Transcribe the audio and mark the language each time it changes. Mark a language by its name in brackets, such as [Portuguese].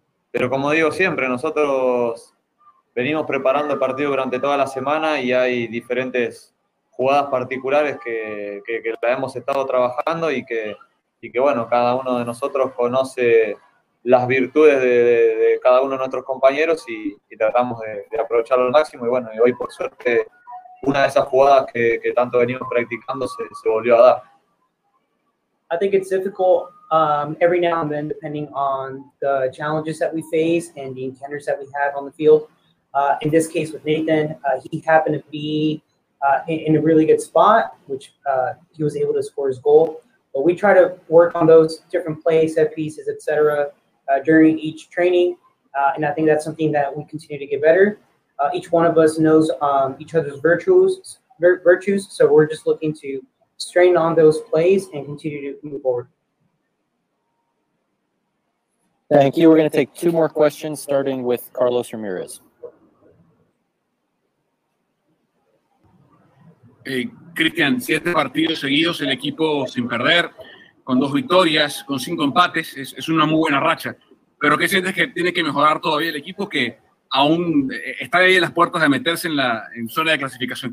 [Spanish] Pero como digo siempre, nosotros venimos preparando el partido durante toda la semana y hay diferentes jugadas particulares que la hemos estado trabajando y que bueno, cada uno de nosotros conoce las virtudes de cada uno de nuestros compañeros y tratamos de aprovecharlo al máximo. Y bueno, y hoy por suerte una de esas jugadas que tanto venimos practicando se volvió a dar. [English] I think it's difficult every now and then, depending on the challenges that we face and the encounters that we have on the field. In this case with Nathan, he happened to be in a really good spot, which he was able to score his goal. But we try to work on those different plays, set pieces, et cetera, during each training. And I think that's something that we continue to get better. Each one of us knows each other's virtues, so we're just looking to strain on those plays and continue to move forward. Thank you. We're going to take two more questions, starting with Carlos Ramirez. [Spanish] Cristian, 7 partidos seguidos, el equipo sin perder, con 2 victorias, con 5 empates, es una muy buena racha. ¿Pero qué sientes que tiene que mejorar todavía el equipo que aún está ahí en las puertas de meterse en zona de clasificación?